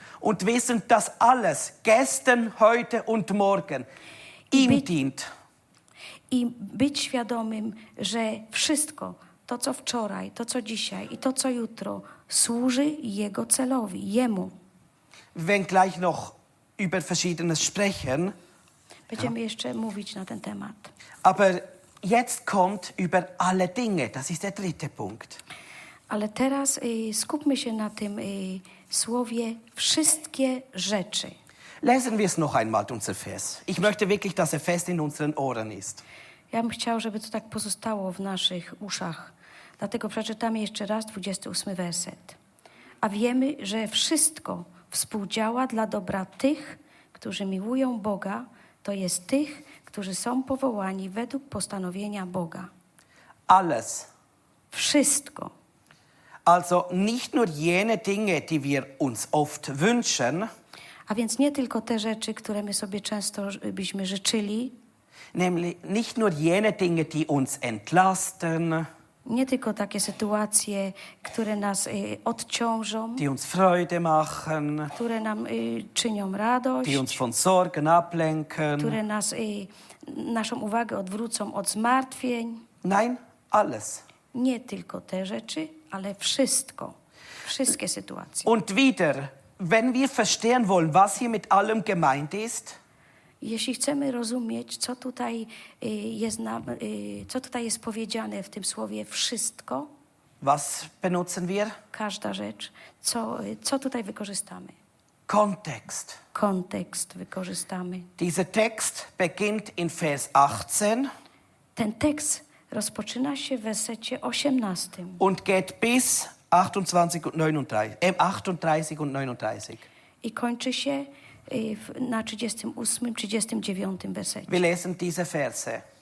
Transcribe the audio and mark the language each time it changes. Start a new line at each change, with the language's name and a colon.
German: Und wissen, dass alles gestern, heute und morgen ihm dient.
Polish: I być świadomym, że wszystko, to co wczoraj, to co dzisiaj i to co jutro, służy jego celowi, jemu.
German: Wenn gleich noch über verschiedenes sprechen.
Polish: Będziemy jeszcze mówić na ten temat.
German: Aber jetzt kommt über alle Dinge, das ist der dritte Punkt.
Polish: Ale teraz skupmy się na tym słowie wszystkie rzeczy.
German: Lesen wir es noch einmal, unser Vers. Ich möchte wirklich, dass er fest in unseren Ohren ist.
Polish: Ja bym chciał, żeby to tak pozostało w naszych uszach. Dlatego przeczytamy jeszcze raz 28 werset. A wiemy, że wszystko współdziała dla dobra tych, którzy miłują Boga, to jest tych, którzy są powołani według postanowienia Boga.
German: Alles.
Polish: Wszystko.
German: Also nicht nur jene Dinge, die wir uns oft wünschen.
Polish: A więc nie tylko te rzeczy, które my sobie często byśmy życzyli.
German: Nämlich nicht nur jene Dinge, die uns entlasten.
Polish: Nie tylko takie sytuacje, które nas odciążą.
German: Die uns Freude machen.
Polish: Które nam czynią radość.
German: Die uns von Sorgen ablenken.
Polish: Które nas naszą uwagę odwrócą od zmartwień.
German: Nein, alles.
Polish: Nie tylko te rzeczy, ale wszystko. Wszystkie sytuacje.
German: Und wieder. Wenn wir verstehen wollen, was hier mit allem gemeint ist,
Polish: jeśli chcemy rozumieć, co tutaj jest nam, co tutaj jest powiedziane w tym słowie wszystko,
German: was benutzen wir?
Polish: Każda rzecz, co tutaj wykorzystamy?
German: Kontext.
Polish: Kontext wykorzystamy.
German: Dieser Text beginnt in Vers 18.
Polish: Ten tekst rozpoczyna się w wersecie 18.
German: Und geht bis 28 und 39. 38 und 39.
Polish: I kończy się na 38, 39 wersecie.
German: Wir lesen diese Verse.